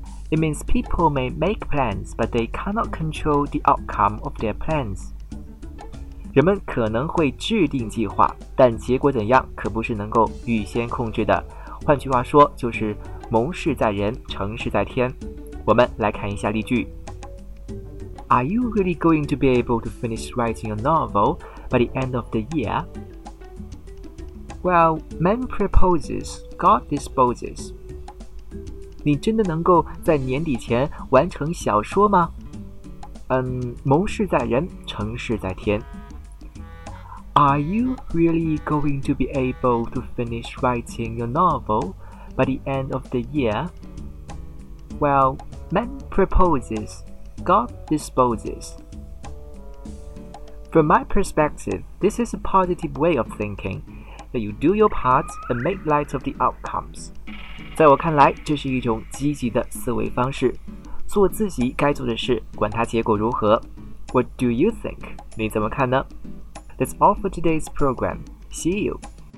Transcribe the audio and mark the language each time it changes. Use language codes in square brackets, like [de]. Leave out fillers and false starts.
[en] It means people may make plans, but they cannot control the outcome of their plans. [zh] 人们可能会制定计划，但结果怎样可不是能够预先控制的。换句话说，就是谋事在人，成事在天。我们来看一下例句。 [en] Are you really going to be able to finish writing a novel by the end of the year? Well, man proposes, God disposes. [zh] 你真的能够在年底前完成小说吗？谋事在人，成事在天。 [en] Are you really going to be able to finish writing a novel by the end of the year? Well, man proposes. God disposes. From my perspective, this is a positive way of thinking, that you do your part and make light of the outcomes. [zh] 在我看来，这是一种积极的思维方式，做自己该做的事，管它结果如何。 [en] What do you think? [zh] 你怎么看呢？ [en] That's all for today's program. See you!